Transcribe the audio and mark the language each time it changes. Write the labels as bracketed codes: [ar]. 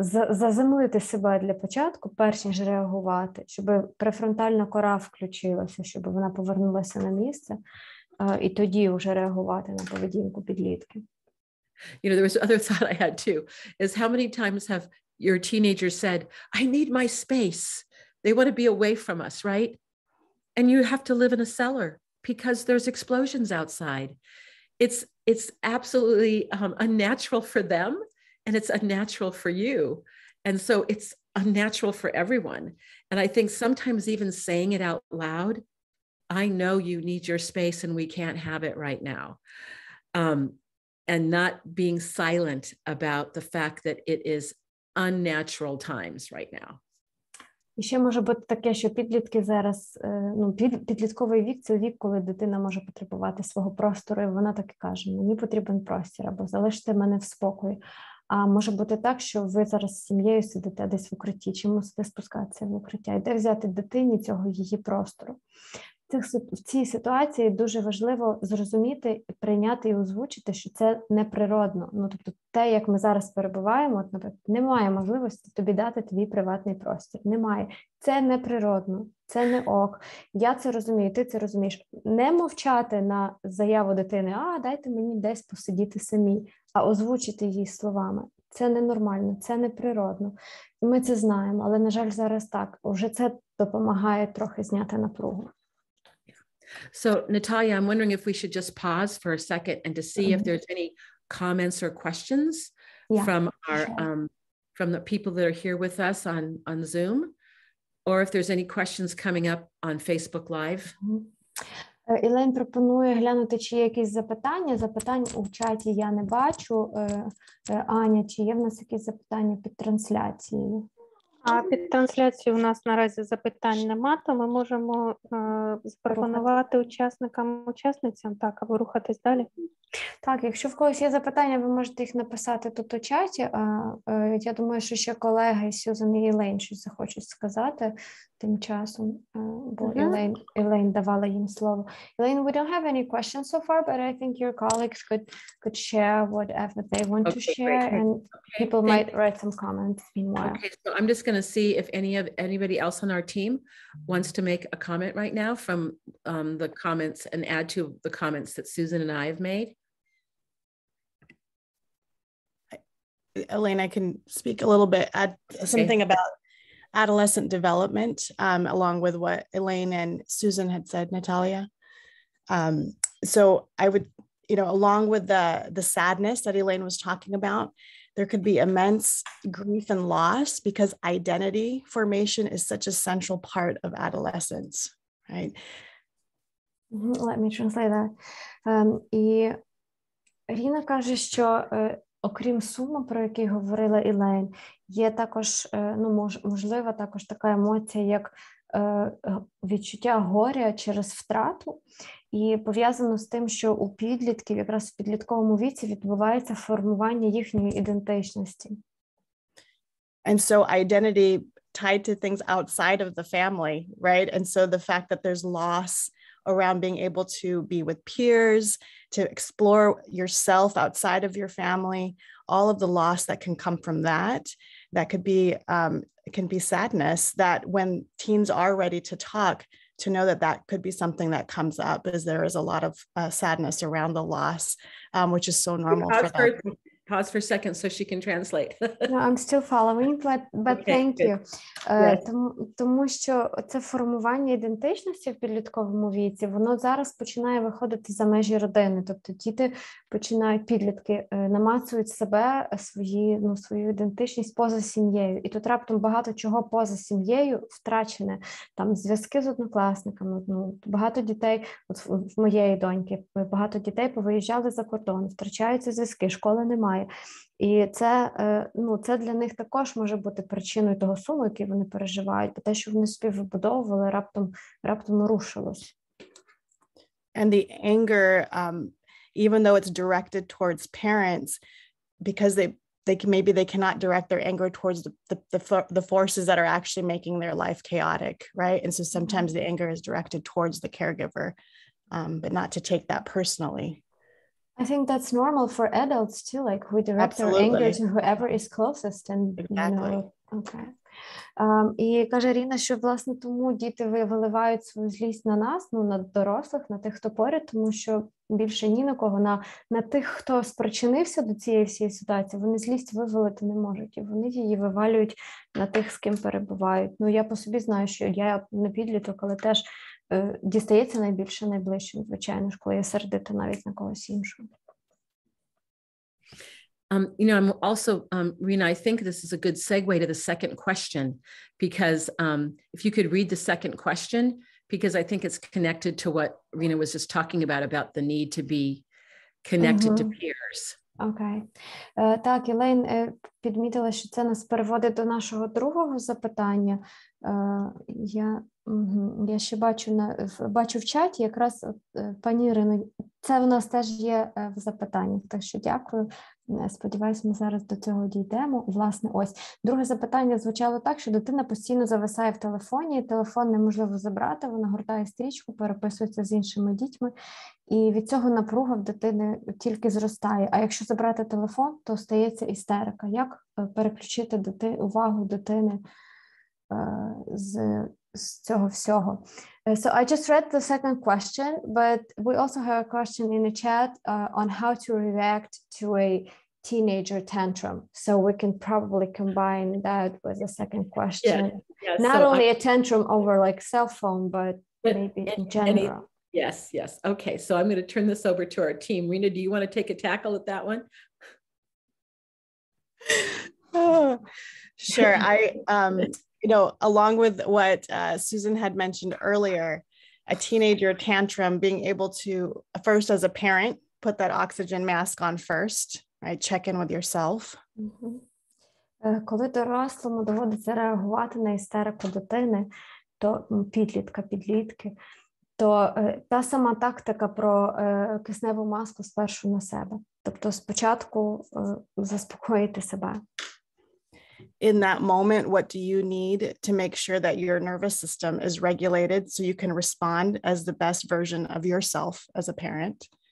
[uk] Заземлити себе для початку, перш ніж реагувати, щоб префронтальна кора включилася, щоб вона повернулася на місце, і тоді вже реагувати на поведінку підлітки. [en] You know, there was another thought I had too, is how many times have your teenagers said, I need my space. They want to be away from us, right? And you have to live in a cellar because there's explosions outside. It's absolutely unnatural for them, and it's unnatural for you. And so it's unnatural for everyone. And I think sometimes even saying it out loud, I know you need your space and we can't have it right now. And not being silent about the fact that it is unnatural times right now. [uk] І ще може бути таке, що підлітки зараз, ну, підлітковий вік – це вік, коли дитина може потребувати свого простору, і вона так і каже, мені потрібен простір, або залиште мене в спокої. А може бути так, що ви зараз з сім'єю сидите десь в укритті, чи мусите спускатися в укриття, і де взяти дитині цього її простору. В цій ситуації дуже важливо зрозуміти, прийняти і озвучити, що це неприродно. Ну, тобто те, як ми зараз перебуваємо, от, наприклад, немає можливості тобі дати твій приватний простір. Немає. Це неприродно. Це не ок. Я це розумію, ти це розумієш. Не мовчати на заяву дитини, а дайте мені десь посидіти самі, а озвучити її словами. Це ненормально, це неприродно. Ми це знаємо, але, на жаль, зараз так. Уже це допомагає трохи зняти напругу. [en] So, Natalia, I'm wondering if we should just pause for a second and to see if there's any comments or questions from our from the people that are here with us on Zoom, or if there's any questions coming up on Facebook Live. [uk] Елен пропонує глянути, чи є якісь запитання. Запитань у чаті я не бачу. Аня, чи є в нас якісь запитання під трансляцією? А під трансляцією у нас наразі запитань нема, то ми можемо запропонувати учасникам-учасницям так, або рухатись далі. Так, якщо в когось є запитання, ви можете їх написати тут у чаті. Я думаю, що ще колеги Сюзан і Елейн щось захочуть сказати тим часом, бо Елейн давала їм слово. [en] Елейн, we don't have any questions so far, but I think your colleagues could share whatever they want to share, and people might write some comments meanwhile. Okay, so I'm just going to see if anybody else on our team wants to make a comment right now from the comments and add to the comments that Susan and I have made. Elaine, I can speak a little bit, add something about adolescent development along with what Elaine and Susan had said, Natalia. So I would, you know, along with the sadness that Elaine was talking about, there could be immense grief and loss because identity formation is such a central part of adolescence, right? Let me translate that. [uk] І Ріна каже, що окрім суму, про який говорила Елейн, є також, ну, можливо, також така емоція, як відчуття горя через втрату. І пов'язано з тим, що у підлітків, якраз в підлітковому віці, відбувається формування їхньої ідентичності. [en] And so identity tied to things outside of the family, right? And so the fact that there's loss around being able to be with peers, to explore yourself outside of your family, all of the loss that can come from that, that could be can be sadness, that when teens are ready to talk, to know that that could be something that comes up, as there is a lot of sadness around the loss, which is so normal for them. Pause for a second so she can translate. No, I'm still following, but okay, thank you. [uk] Тому що це формування ідентичності в підлітковому віці, воно зараз починає виходити за межі родини. Тобто діти починають, підлітки, намацують себе, свою ідентичність поза сім'єю. І тут раптом багато чого поза сім'єю втрачене. Там зв'язки з однокласниками. Ну, багато дітей, от в моєї доньки, багато дітей повиїжджали за кордон, втрачаються зв'язки, школи немає. І це, ну, це для них також може бути причиною того суму, який вони переживають, бо те, що вони собі вибудовували, раптом рушилось. [en] And the anger, even though it's directed towards parents, because they cannot direct their anger towards the forces that are actually making their life chaotic, right? And so sometimes the anger is directed towards the caregiver, but not to take that personally. I think that's normal for adults too, like we direct Absolutely. Our anger to whoever is closest and exactly. You know, okay. [uk] І каже Ріна, що власне тому діти виливають свою злість на нас, ну, на дорослих, на тих, хто поряд, тому що більше ні на кого, на тих, хто спричинився до цієї всієї ситуації, вони злість вивалити не можуть, і вони її вивалюють на тих, з ким перебувають. Ну, я по собі знаю, що я не підліток, але теж дістається найбільше найближчим, звичайно ж, коли я сердита навіть на когось іншого. [en] You know, I'm also, Rena, I think this is a good segue to the second question, because if you could read the second question, because I think it's connected to what Rena was just talking about the need to be connected mm-hmm. to peers. [uk] Окей. Так, Елейн підмітила, що це нас переводить до нашого другого запитання. Я ще бачу в чаті якраз пані Ірину. Це в нас теж є в запитанні, так що дякую. Сподіваюсь, ми зараз до цього дійдемо. Власне, ось. Друге запитання звучало так, що дитина постійно зависає в телефоні, телефон неможливо забрати, вона гортає стрічку, переписується з іншими дітьми, і від цього напруга в дитини тільки зростає. А якщо забрати телефон, то стається істерика. Як переключити увагу дитини з цього всього? [en] So I just read the second question, but we also have a question in the chat on how to react to a teenager tantrum. So we can probably combine that with the second question. Yeah. Not so only a tantrum over like cell phone, but maybe in general. Yes. Okay, so I'm going to turn this over to our team. Rena, do you want to take a tackle at that one? Sure. You know, along with what Susan had mentioned earlier, a teenager tantrum, being able to first as a parent put that oxygen mask on first, right? Check in with yourself. [uk] Коли дорослому доводиться реагувати на істерику дитини, то підлітки, то та сама тактика про кисневу маску спершу на себе. Тобто спочатку заспокоїти себе. [en] In that moment, what do you need to make sure that your nervous system is regulated so you can respond as the best version of yourself as a parent?